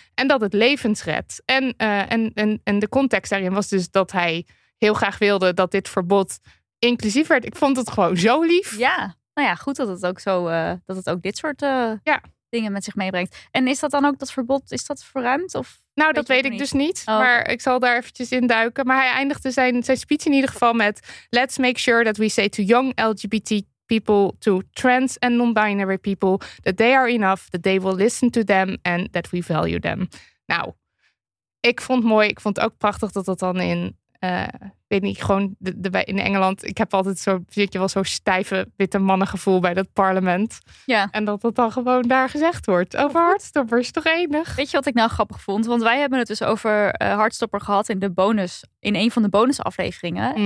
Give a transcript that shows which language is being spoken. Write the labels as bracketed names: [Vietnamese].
[Dutch] En dat het levens redt. En de context daarin was dus dat hij heel graag wilde dat dit verbod inclusief werd. Ik vond het gewoon zo lief. Ja, nou ja, goed dat het ook zo dat het ook dit soort dingen met zich meebrengt. En is dat dan ook dat verbod, is dat verruimd? Of nou, dat weet ik dus niet. Oh. Maar ik zal daar eventjes in duiken. Maar hij eindigde zijn speech in ieder geval met: [English] let's make sure that we say to young LGBT people, to trans and non-binary people, that they are enough, that they will listen to them and that we value them. [Dutch] Nou, ik vond het mooi. Ik vond het ook prachtig dat dan in, weet niet, gewoon in Engeland, ik heb altijd zo'n stijve witte mannengevoel bij dat parlement. Ja. En dat dat dan gewoon daar gezegd wordt. Over Hartstopper is toch enig? Weet je wat ik nou grappig vond? Want wij hebben het dus over Hartstopper gehad in de bonus, in een van de bonusafleveringen. Mm.